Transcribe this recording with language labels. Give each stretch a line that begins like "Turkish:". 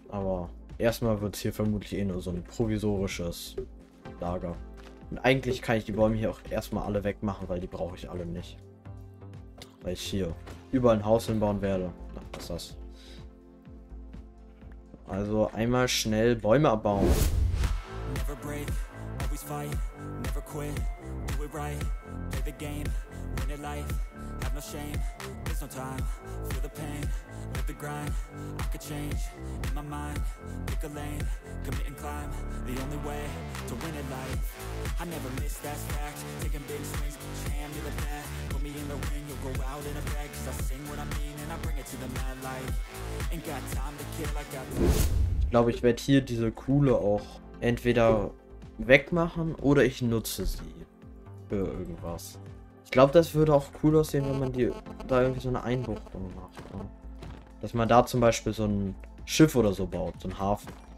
German: Aber erstmal wird es hier vermutlich eh nur so ein provisorisches Lager. Und eigentlich kann ich die Bäume hier auch erstmal alle wegmachen, weil die brauche ich alle nicht. Weil ich hier überall ein Haus hinbauen werde. Ach, was ist das? Also einmal schnell Bäume abbauen.
English: Never break, always fight, never quit, do it right, play the game, win it life, have no shame, there's no time, feel the pain, live the grind, I could change, in my mind, pick a lane, commit and climb, the only way, to win it life, I never miss that fact, taking big swings, put your hand to the bat, put me in the ring, you'll go out in a bag, cause I sing what I mean and I bring it to the mad light, ain't got time to kill, I got time.
German: Ich glaube, ich werde hier diese Kuhle auch entweder wegmachen oder ich nutze sie für irgendwas. Ich glaube, das würde auch cool aussehen, wenn man die da irgendwie so eine Einbuchtung macht. Ne? Dass man da zum Beispiel so ein Schiff oder so baut, so ein Hafen.